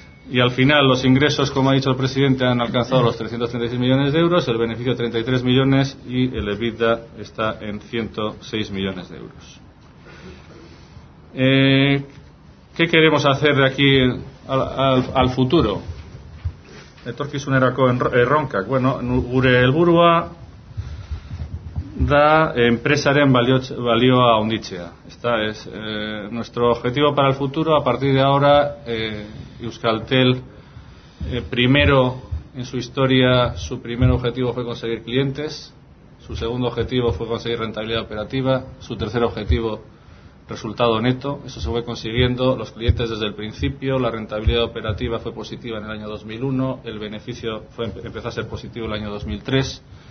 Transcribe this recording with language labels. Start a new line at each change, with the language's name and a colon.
Spanish: Y al final los ingresos, como ha dicho el presidente, han alcanzado los 336 millones de euros, el beneficio 33 millones y el EBITDA está en 106 millones de euros. ¿Qué queremos hacer de aquí al futuro?
Basque: Etorkizunerako erronkak. Bueno, gure helburua da enpresaren balioa honditzea.
Spanish: Nuestro objetivo para el futuro, a partir de ahora, Euskaltel primero en su historia su primer objetivo fue conseguir clientes, su segundo objetivo fue conseguir rentabilidad operativa, su tercer objetivo resultado neto, eso se fue consiguiendo, los clientes desde el principio, la rentabilidad operativa fue positiva en el año 2001, el beneficio empezó a ser positivo en el año 2003.